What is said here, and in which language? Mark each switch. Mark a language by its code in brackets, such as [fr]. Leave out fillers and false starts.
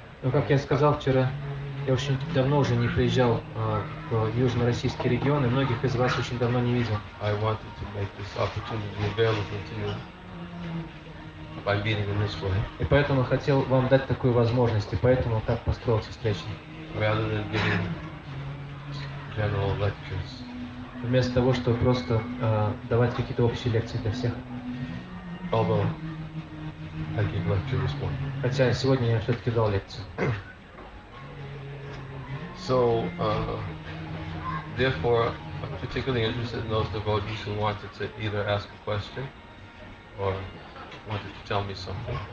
[ru] Ну как я сказал вчера, я очень давно уже не приезжал в южно-российский регион, и многих из вас очень давно не видел. [en] I wanted to make this opportunity available to you by being in this way. [ru] И поэтому хотел вам дать такую возможность, и поэтому так построился встреча. [en] Rather than giving general lectures. [ru] Вместо того, чтобы просто давать какие-то общие лекции для всех. [en] Although, I give lectures one. [ru] Хотя сегодня я все-таки дал лекцию. [en] So, therefore, I'm particularly interested in those devotees who wanted to either ask a question or wanted to tell me something.